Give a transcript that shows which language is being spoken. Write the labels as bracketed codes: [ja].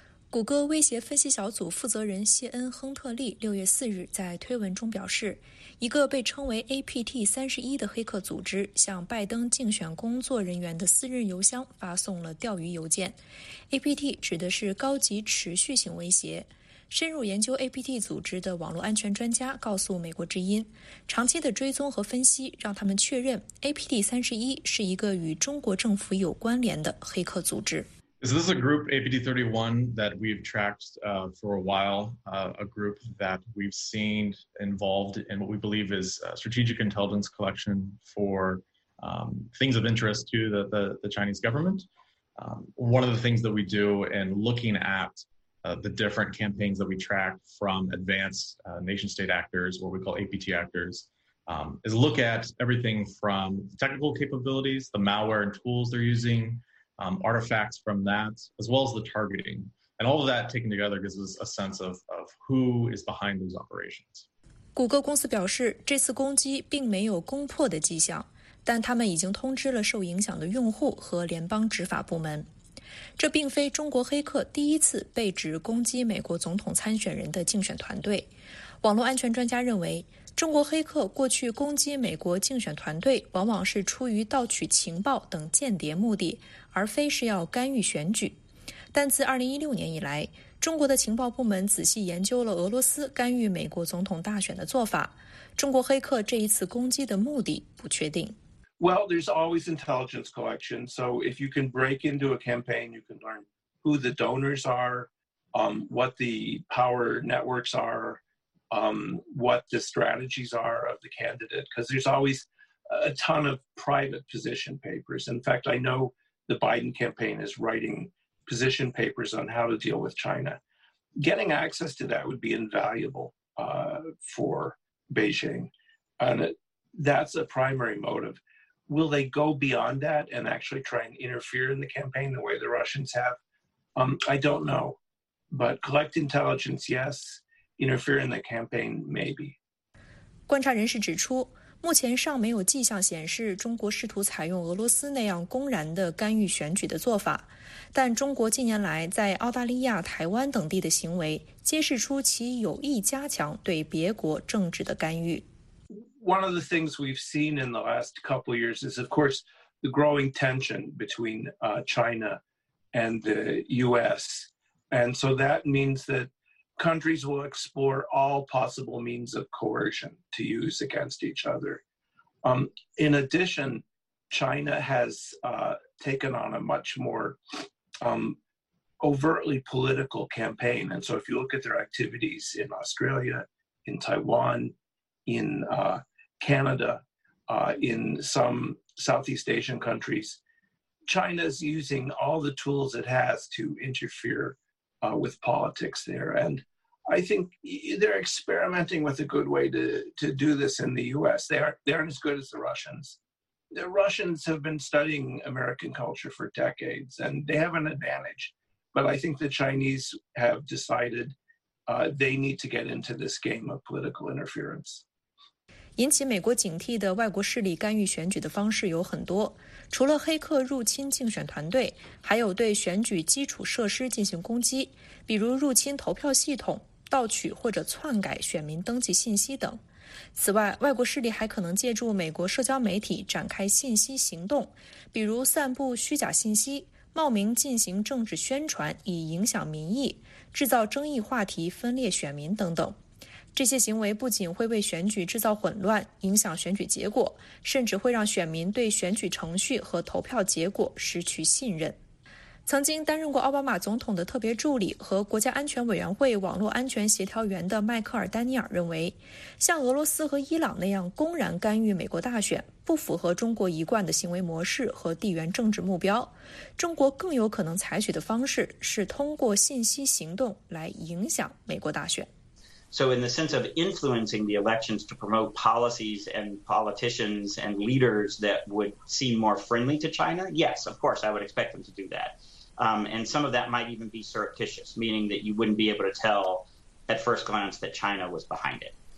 [zh] 谷歌威胁分析小组负责人谢恩·亨特利6月4日在推文中表示，一个被称为 APT31 的黑客组织向拜登竞选工作人员的私人邮箱发送了钓鱼邮件。 APT 指的是高级持续性威胁。深入研究 APT 组织的网络安全专家告诉美国之音，长期的追踪和分析让他们确认 APT31 是一个与中国政府有关联的黑客组织。 [en] So this is a group, APT31, that we've tracked for a while, a group that we've seen involved in what we believe is strategic intelligence collection for things of interest to the Chinese government. One of the things that we do in looking at the different campaigns that we track from advanced nation state actors, what we call APT actors, is look at everything from technical capabilities, the malware and tools they're using,artifacts from that, as well as the targeting. And all of that taken together gives us a sense of who is behind those operations. [zh] 谷歌公司表示，这次攻击并没有攻破的迹象，但他们已经通知了受影响的用户和联邦执法部门。这并非中国黑客第一次被指攻击美国总统参选人的竞选团队。网络安全专家认为，中国黑客过去攻击美国竞选团队往往是出于盗取情报等间谍目的，而非是要干预选举。但自2016年以来，中国的情报部门仔细研究了俄罗斯干预美国总统大选的做法。中国黑客这一次攻击的目的不确定。 [en] Well, there's always intelligence collection. So if you can break into a campaign, you can learn who the donors are, what the power networks are,what the strategies are of the candidate, because there's always a ton of private position papers. In fact, I know the Biden campaign is writing position papers on how to deal with China. Getting access to that would be invaluable for Beijing. And that's a primary motive. Will they go beyond that and actually try and interfere in the campaign the way the Russians have? I don't know. But collect intelligence, yes. Interfere in the campaign, maybe. [zh] 观察人士指出，目前尚没有迹象显示中国试图采用俄罗斯那样公然的干预选举的做法，但中国近年来在澳大利亚、台湾等地的行为揭示出其有意加强对别国政治的干预。 [en] One of the things we've seen in the last couple of years is, of course, the growing tension between China and the U.S. And so that means thatcountries will explore all possible means of coercion to use against each other. In addition, China has taken on a much more overtly political campaign. And so if you look at their activities in Australia, in Taiwan, in Canada, in some Southeast Asian countries, China's using all the tools it has to interfere with politics there. AndI think they're experimenting with a good way to do this in the U.S. They aren't as good as the Russians. The Russians have been studying American culture for decades, and they have an advantage. But I think the Chinese have decided they need to get into this game of political interference. [zh] 引起美国警惕的外国势力干预选举的方式有很多，除了黑客入侵竞选团队，还有对选举基础设施进行攻击，比如入侵投票系统、盗取或者篡改选民登记信息等。此外，外国势力还可能借助美国社交媒体展开信息行动，比如散布虚假信息、冒名进行政治宣传以影响民意、制造争议话题、分裂选民等等。这些行为不仅会为选举制造混乱，影响选举结果，甚至会让选民对选举程序和投票结果失去信任。曾经担任过奥巴马总统的特别助理和国家安全委员会网络安全协调员的迈克尔·丹尼尔认为，像俄罗斯和伊朗那样公然干预美国大选，不符合中国一贯的行为模式和地缘政治目标。中国更有可能采取的方式是通过信息行动来影响美国大选。 [en] So in the sense of influencing the elections to promote policies and politicians and leaders that would seem more friendly to China, yes, of course, I would expect them to do that. And some of that might even be surreptitious, meaning that you wouldn't be able to tell at first glance that China was behind it.